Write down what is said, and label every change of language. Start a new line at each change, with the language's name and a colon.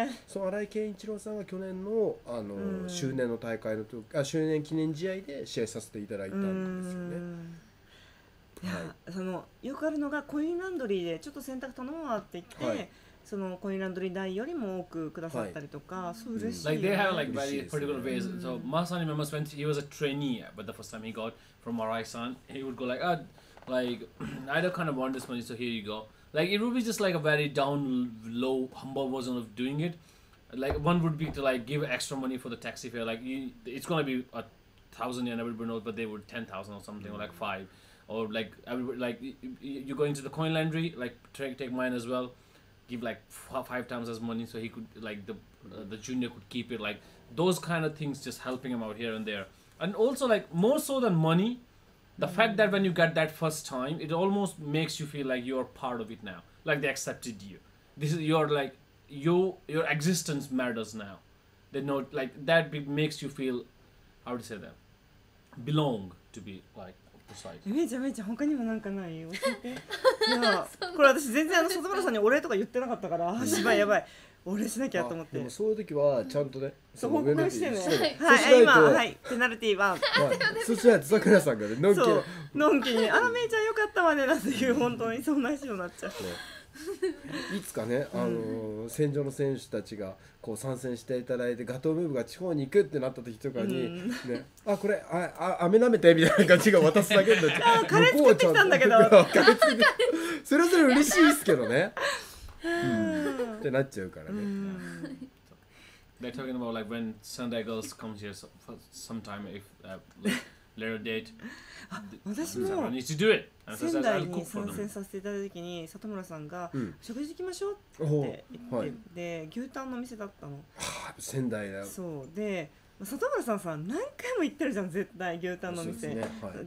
Japanese: はい、その新井健一郎さんが去年の周年の大会の時あ周年記念試合で試合させていただいたんですよねはい、そのよくあるのがコインランドリーでちょっと洗濯頼むわって言って、はい、そのコインランドリー代よりも多くくださったりとか、はい、そう嬉しい、
English: ね。Like they have like very particular ways. So Masan remembers when he was a trainee, but the first time he got from Arai-san, he would go like, ah,、like I don't kind of want this money, so here you go. Like it would be just like a very down low humble version of doing it. Like one would be to like give extra money for the taxi fare. Like you, it's gonna be a 1,000 yen, everybody knows, but they would 10,000 or something、mm-hmm. or like five. Or like, everybody, like you're going to the coin laundry, like take mine as well, give like five times as money so he could, like the junior could keep it. Like those kind of things, just helping him out here and there. And also like more so than money, the fact that when you get that first time, it almost makes you feel like you're part of it now. Like they accepted you. This is your like, your existence matters now. They know, like that makes you feel, how to say that, belong to be like,
Japanese: めちゃめちゃ他にもなんかない教えていやこれ私全然あの里村さんにお礼とか言ってなかったからやばいやばいお礼しなきゃと思ってでもそういう時はちゃんとね、うん、そう報告してね、はい、今、はい、ペナルティーワン、はい、そしたら里村さんがねのんきにあめちゃんよかったわねなんていう本当にそんな人になっちゃう、ね、いつかね、戦場の選手たちがこう参戦していただいてガトームーブが地方に行くってなった時とかに、うんね、あこれあ飴舐めてみたいな感じが渡すだけになっちゃうカレー作ってきたんだけどそれぞれ嬉しいですけどね、うん、ってなっちゃうからね、
English: うん、They're talking about like when Sunday girls come here for some time if later date
Japanese: あ私も仙台に参戦させていただいた時に里村さんが食事行きましょうって言って、うんはい、で牛タンの店だったの、はあ、仙台だそうで里村さんさ何回も行ってるじゃん絶対牛タンの店、ねはい、